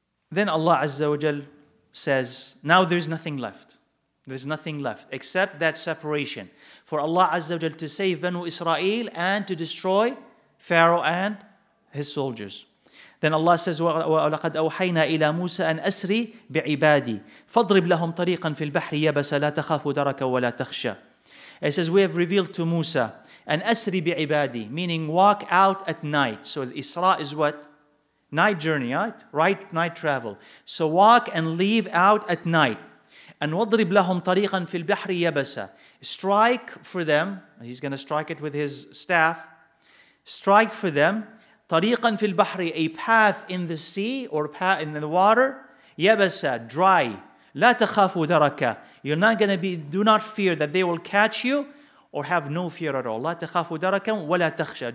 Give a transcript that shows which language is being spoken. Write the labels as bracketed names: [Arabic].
[English] Then Allah Azza wa Jal says, now there's nothing left. There's nothing left except that separation. For Allah Azza wa Jal to save Banu Israel and to destroy Pharaoh and his soldiers. Then Allah says, [Arabic] وَلَقَدْ أَوْحَيْنَا إِلَىٰ مُوسَىٰ أَنْ أَسْرِي بِعِبَادِي فَاضْرِبْ لَهُمْ طَرِيقًا فِي الْبَحْرِ يَبَسَ لَا تَخَافُ دَرَكًا وَلَا تَخْشَىٰ. [English] It says, we have revealed to Musa, [Arabic] أَنْ أَسْرِي بِعِبَادِي, [English] meaning walk out at night. So Isra is what? Night journey, right? Right, night travel. So walk and leave out at night. [Arabic] And وَضْرِبْ لَهُمْ طَرِيقًا فِي الْبَحْرِ يَبَسَ. [English] Strike for them. He's going to strike it with his staff. Strike for them. [Arabic] طَرِيقًا فِي الْبَحْرِ, [English] a path in the sea or path in the water. [Arabic] يَبَسَ, dry. لَا تَخَافُوا دَرَكَ. [English] You're not going to be, do not fear that they will catch you or have no fear at all. [Arabic] لَا تَخَافُوا دَرَكَ وَلَا تَخْشَ.